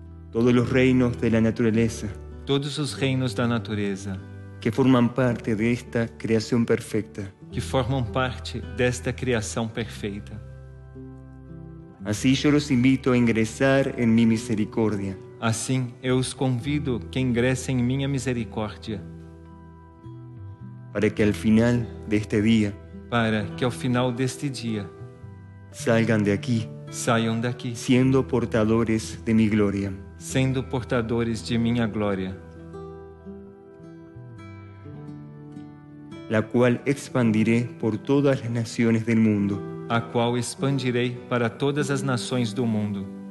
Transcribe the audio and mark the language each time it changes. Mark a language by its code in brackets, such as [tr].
[es] Todos los reinos de la naturaleza. [pt] Todos os reinos da natureza. [es] Que forman parte de esta creación perfecta. [pt] Que formam parte desta criação perfeita. [es] Así yo los invito a ingresar en mi misericordia. [pt] Assim eu os convido que ingressem em minha misericórdia. [es] Para que al final de este día. [pt] Para que ao final deste dia. [es] Salgan de aquí. [pt] Saiam daqui. [es] Siendo portadores de mi gloria. [pt] Sendo portadores de minha glória, [es] la cual expandiré por todas las naciones del mundo, [pt] a qual expandirei para todas as nações do mundo.